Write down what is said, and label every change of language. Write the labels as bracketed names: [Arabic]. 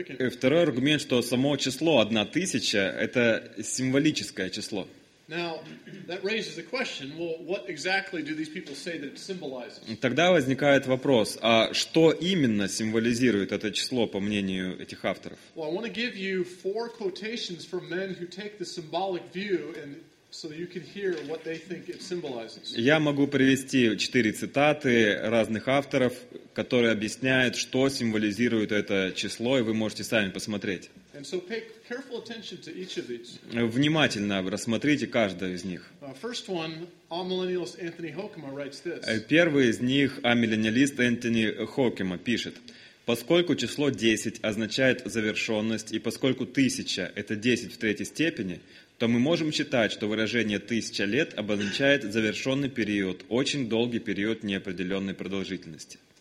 [Russian] Второй аргумент, что само число 1000 – это символическое число. [English] Now, that raises the question, well, what exactly do these people say that it symbolizes? [Russian] Тогда возникает вопрос, а что именно символизирует это число, по мнению этих авторов? [English] Well, I want to give you four quotations from men who take the symbolic view and so you can hear what they think it symbolizes. [Russian] Я могу привести четыре цитаты разных авторов, которые объясняют, что символизирует это число, и вы можете сами посмотреть. [English] And so pay careful attention to each of these. [Russian] Внимательно рассмотрите каждого из них. [English] First one, amillennialist Anthony Hokema writes this. [Russian] Первый из них, амиллениалист Энтони Хокема, пишет: «Поскольку число 10 означает завершенность, и поскольку 1000 – это 10 в третьей степени, то мы можем считать, что выражение 1000 лет обозначает завершенный период, очень долгий период неопределенной продолжительности».